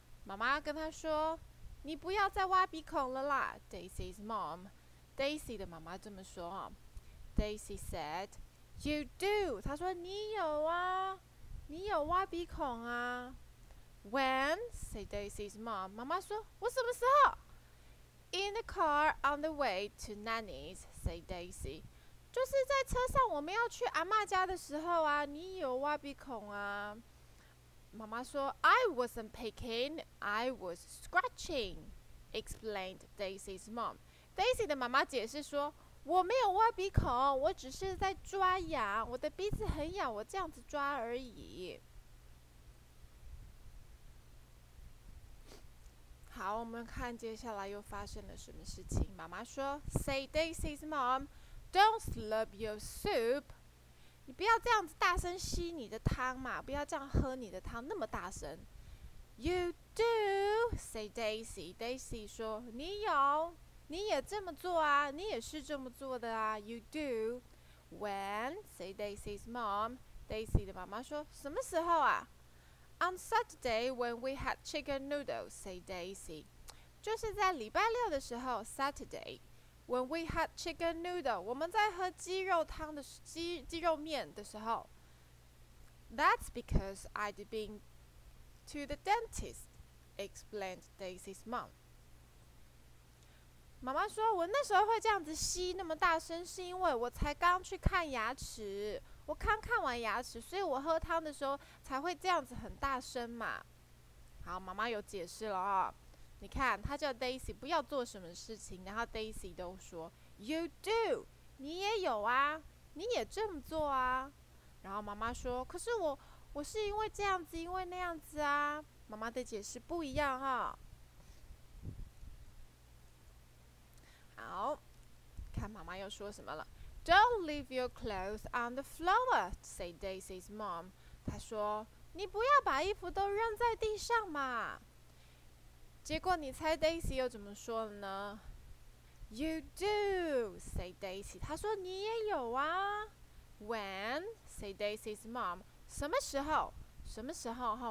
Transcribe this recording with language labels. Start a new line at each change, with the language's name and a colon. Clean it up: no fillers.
Chinese: 妈妈跟他说：“你不要再挖鼻孔了啦 ，Daisy's mom。” Daisy 的妈妈这么说啊。
English: Daisy said, "You do."
Chinese: 她说：“你有啊，你有挖鼻孔啊。”
English: When, say Daisy's mom.
Chinese: 妈妈说，我什么时候？
English: In the car on the way to Nanny's, say Daisy.
Chinese: 就是在车上我们要去阿嬷家的时候啊，你有挖鼻孔啊。妈妈说，
English: I wasn't picking, I was scratching, explained Daisy's mom.
Chinese: Daisy 的妈妈解释说，我没有挖鼻孔，我只是在抓痒，我的鼻子很痒，我这样子抓而已。好，我们看接下来又发生了什么事情。妈妈说
English: ，Say Daisy's mom, don't slurp your soup.
Chinese: 你不要这样子大声吸你的汤嘛，不要这样喝你的汤那么大声。
English: You do, say Daisy.
Chinese: Daisy 说，你有，你也这么做啊，你也是这么做的啊。
English: You do. When, say Daisy's mom.
Chinese: Daisy 的妈妈说，什么时候啊？
English: On Saturday, when we had chicken noodles, say Daisy.
Chinese: 就是在礼拜六的时候 ,
English: Saturday, when we had chicken noodles,
Chinese: 我们在喝鸡肉汤的鸡肉面的时候。
English: That's because I'd been to the dentist, explained Daisy's mom.
Chinese: 妈妈说，我那时候会这样子吸那么大声，是因为我才刚去看牙齿。我刚看完牙齿，所以我喝汤的时候才会这样子很大声嘛。好，妈妈有解释了啊、哦。你看，她叫 Daisy 不要做什么事情，然后 Daisy 都说
English: You do，
Chinese: 你也有啊，你也这么做啊。然后妈妈说，可是我是因为这样子，因为那样子啊。妈妈的解释不一样哈、哦。好，看妈妈又说什么了。
English: Don't leave your clothes on the floor, said Daisy's mom.
Chinese: 她说，你不要把衣服都扔在地上嘛。结果你猜 Daisy 又怎么说了呢？
English: You do, said Daisy.
Chinese: 她说，你也有啊。
English: When, said Daisy's mom.
Chinese: 什么时候？什么时候？